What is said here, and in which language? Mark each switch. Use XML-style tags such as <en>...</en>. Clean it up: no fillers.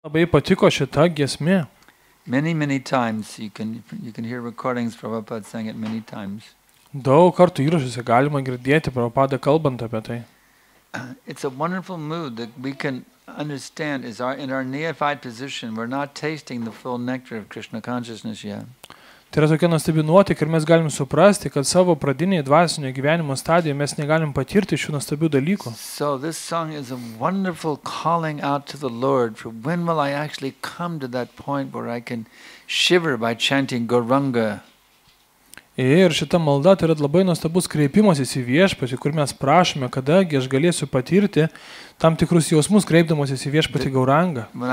<lt>Labai patiko šita giesmė.</lt> <en>Many, many times you can hear recordings Prabhupada saying it many times.</en> <lt>Daug kartų įrašuose galima girdėti Prabhupada kalbant apie tai.</lt> <en>It's a wonderful mood that we can understand is our in our neophyte position we're not tasting the full nectar of Krishna consciousness yet.</en> <lt>Tai yra tokia nuostabi nuotaika ir mes galim suprasti, kad savo pradinėje dvasinio gyvenimo stadijoje mes negalim patirti šių nuostabių dalykų.</lt> <en>So this song is a wonderful calling out to the Lord for when will I actually come to that point where I can shiver by chanting Gauranga.</en> <lt>Ir šita malda tai yra labai nuostabus kreipimasis į viešpatį, kur mes prašome, kada aš galėsiu patirti tam tikrus jausmus kreipdamasis į viešpatį Gaurangą.</lt>